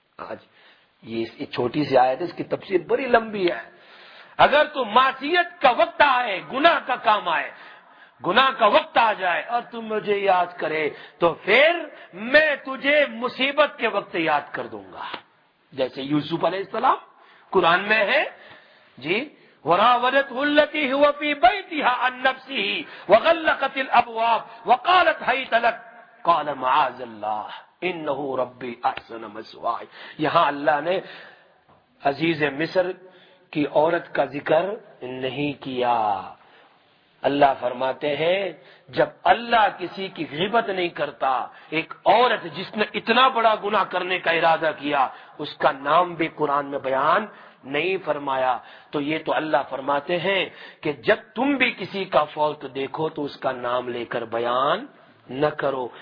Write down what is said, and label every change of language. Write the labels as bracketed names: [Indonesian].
[Urdu] آج یہ چھوٹی سی آیت ہے, اس کی تفسیر بڑی لمبی ہے. اگر تو معصیت کا وقت آئے, گناہ کا کام آئے, گناہ کا وقت آ جائے اور تم مجھے یاد کرے تو پھر میں تجھے مصیبت کے وقت یاد کر دوں گا. جیسے یوسف علیہ السلام قرآن میں ہے جی, [Arabic] وراودته التي هو في بيتها عن نفسه وغلقت الابواب وقالت هيت لك قال معاذ الله انه ربي احسن مثواي. [Urdu] یہاں اللہ نے عزیز مصر کی عورت کا ذکر نہیں کیا. اللہ فرماتے ہیں جب اللہ کسی کی غیبت نہیں کرتا, ایک عورت جس نے اتنا بڑا گناہ کرنے کا ارادہ کیا اس کا نام بھی قرآن میں بیان نہیں فرمایا, تو یہ تو اللہ فرماتے ہیں کہ جب تم بھی کسی کا فالٹ دیکھو تو اس کا نام لے کر بیان نہ کرو.